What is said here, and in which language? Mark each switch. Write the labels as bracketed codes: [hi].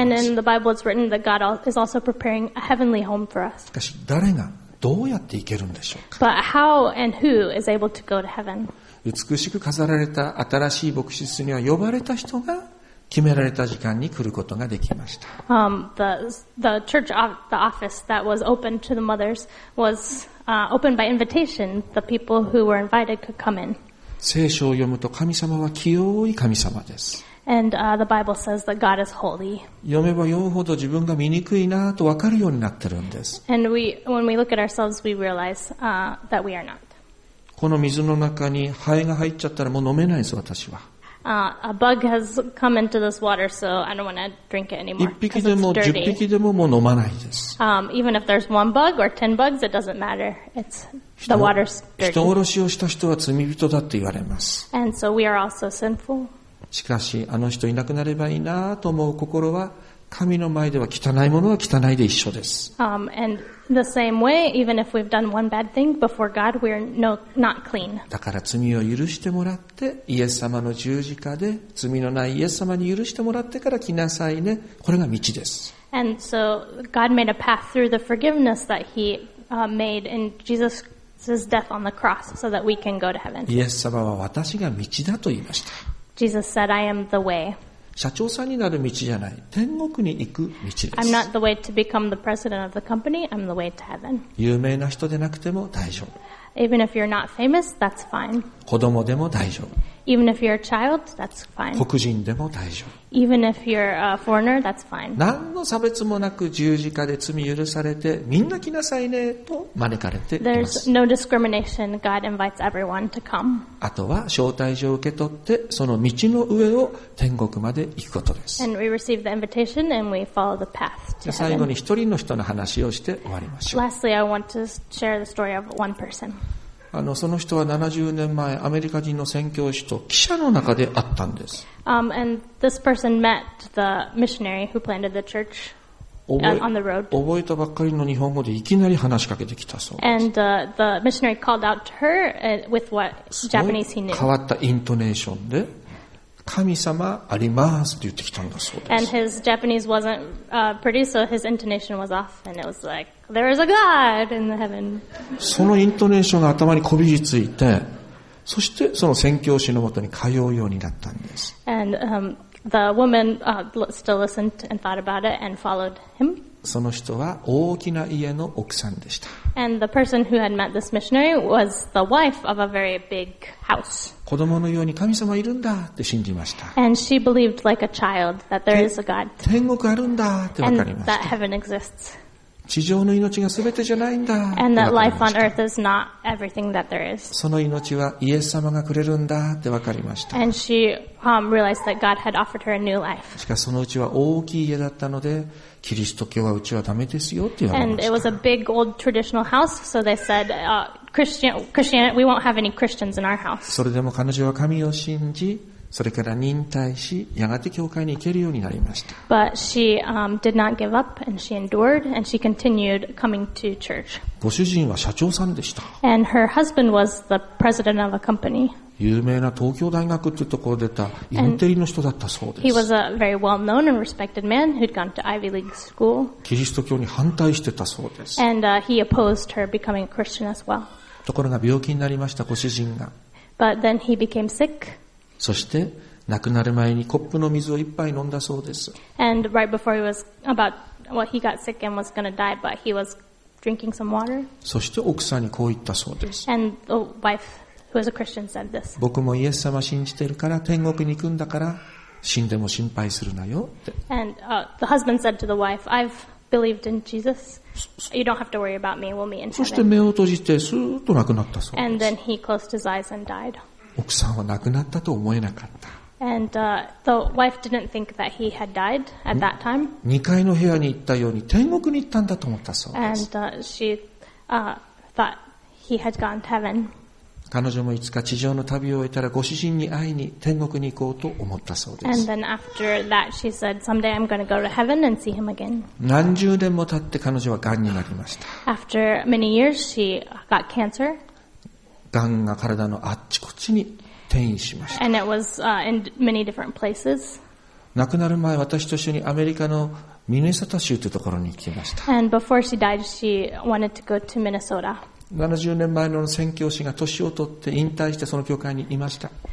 [en] And in the Bible it's written that God is also preparing a heavenly home for us. [ja] しかし誰がどうやって行けるんでしょうか。 [en] But how and who is able to go to heaven? [ja] 美しく飾られた新しい牧師室には呼ばれた人が決められた時間に来ることができました。 [en] The church the office that was open to the mothers was open by invitation. The people who were invited could come in. [ja] 聖書を読むと神様は清い神様です。 [en] And the Bible says that God is holy. [ja] 読めば読むほど自分が醜いなと分かるようになってるんです。 [en] And when we look at ourselves, we realize that we are not. [ja] この水の中にハエが入っちゃったらもう飲めないです私は。 [en] A bug has come into this water, so I don't want to drink it anymore. [ja] 一匹でも十匹でももう飲まないです。 [en] Even if there's one bug or ten bugs, it doesn't matter. It's the water's dirty. [ja] 人殺しをした人は罪人だって言われます。 [en] And so we are also sinful. [ja] しかしあの人いなくなればいいなと思う心は神の前では汚いものは汚いで一緒です。 [en] And the same way, even if we've done one bad thing before God, we're not clean. [ja] だから罪を許してもらってイエス様の十字架で罪のないイエス様に許してもらってから来なさいね。これが道です。 [en] And so God made a path through the forgiveness that He made in Jesus His death on the cross, so that we can go to heaven. [ja] イエス様は私が道だと言いました。 [en] Jesus said, I am the way. [ja] 社長さんになる道じゃない。天国に行く道です。 [en] I'm not the way to become the president of the company. I'm the way to heaven. [ja] 有名な人でなくても大丈夫。 [en] Even if you're not famous, that's fine. [ja] 子供でも大丈夫。 [en] Even if you're a child, that's fine. [ja] 黒人でも大丈夫。 [en] Even if you're a foreigner, that's fine. [ja] 何の差別もなく十字架で罪許されてみんな来なさいねと招かれています。 [en] There's no discrimination. God invites everyone to come. [ja] あとは招待状を受け取ってその道の上を天国まで行くことです。 [en] And we receive the invitation and we follow the path to heaven. [ja] 最後に一人の人の話をして終わりましょう。 [en] Lastly, I want to share the story of one person. [ja] その人は70年前アメリカ人の宣教師と記者の中で会ったんです。 [en] And this person met the missionary who planted the church. [ja] 覚えたばっかりの日本語でいきなり話しかけてきたそうです。 [en] And, the missionary called out to her with what Japanese he knew. [ja] 変わったイントネーションで神様ありますって言ってきたんだそうです。 [en] And his Japanese wasn't pretty, so his intonation was off, and it was like, there is a God in the heaven. [ja] そのイントネーションが頭にこびりついて、そしてその宣教師のもとに通うようになったんです。 [en] And, the woman, still listened and thought about it and followed him. [ja] その人は大きな家の奥さんでした。 [en] And the person who had met this missionary was the wife of a very big house. [ja] 子供のように神様いるんだって信じました。 [en] And she believed like a child that there is a God. [ja] 天国あるんだって分かりました。 [en] And that heaven exists. [ja] 地上の命が全てじゃないんだ。 [en] And that life on earth is not everything that there is. [ja] その命はイエス様がくれるんだって分かりました。 [en] And she realized that God had offered her a new life. [ja] しかしそのうちは大きい家だったので、キリスト教はうちはダメですよって言われました。 [en] And it was a big old traditional house, so they said, Christianity, we won't have any Christians in our house. [ja] それでも彼女は神を信じ、それから忍耐し、やがて教会に行けるようになりました。 [en] But she, did not give up, and she endured, and she continued coming to church. [ja] ご主人は社長さんでした。 [en] And her husband was the president of a company. [ja] 有名な東京大学っていうところ出たインテリの人だったそうです。 [en] And he was a very well-known and respected man who'd gone to Ivy League school. [ja] キリスト教に反対してたそうです。 [en] And, he opposed her becoming a Christian as well. [ja] ところが病気になりました、ご主人が。 [en] But then he became sick. [ja] そして亡くなる前にコップの水を一杯飲んだそうです。 [en] And right before he was about what he got sick and was going to die, but he was drinking some water. [ja] そして奥さんにこう言ったそうです。 [en] And the wife, who was a Christian, said this. [ja] 僕もイエス様信じてるから天国に行くんだから死んでも心配するなよって。 [en] And the husband said to the wife, I've believed in Jesus. You don't have to worry about me. We'll meet in heaven. [ja] そして目を閉じてスーッと亡くなったそうです。 [en] And then he closed his eyes and died. [ja] 奥さんは亡くなったと思えなかった。 [en] And, the wife didn't think that he had died at that time. [ja] 2階の部屋に行ったように天国に行ったんだと思ったそうです。 [en] And, she, thought he had gone to heaven. [ja] 彼女もいつか地上の旅を終えたらご主人に会いに天国に行こうと思ったそうです。 [en] And then after that she said, someday I'm going to go to heaven and see him again. [ja] 何十年も経って彼女は癌になりました。 [en] After many years she got cancer. [ja] がんが体のあっちこっちに転移しました。 [en] And it was, in many different places. [ja] 亡くなる前、私と一緒にアメリカのミネソタ州というところに行きました。 [en] And before she died, she wanted to go to Minnesota. [ja] 70年前の宣教師が年を取って引退してその教会にいました。